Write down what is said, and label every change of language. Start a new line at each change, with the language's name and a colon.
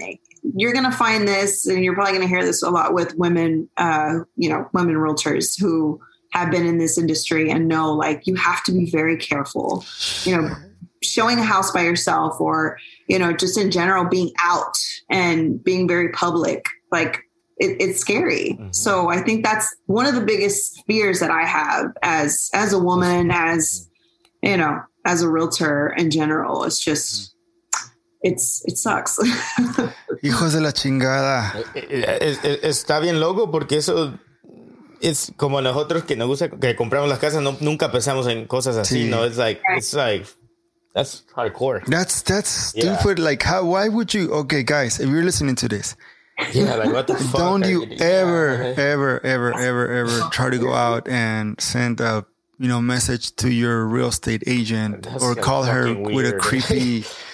English: Yeah. And you're going to find this and you're probably going to hear this a lot with women, you know, women realtors who have been in this industry and know, like, you have to be very careful, you know, showing a house by yourself or, you know, just in general being out and being very public, like it's scary. Mm-hmm. So I think that's one of the biggest fears that I have as a woman, as, you know, as a realtor in general. It's just, it sucks.
Spanish: Hijos de la chingada. Está bien loco porque eso es como nosotros que nos gusta que compramos las casas. No, nunca pensamos en cosas así.
English: Sí. No, it's like, that's hardcore. That's stupid. Yeah. Like, why would you? Okay, guys, if you're listening to this, Yeah, like what the fuck? Don't you ever, ever try to go out and send a, you know, message to your real estate agent or call her with a creepy.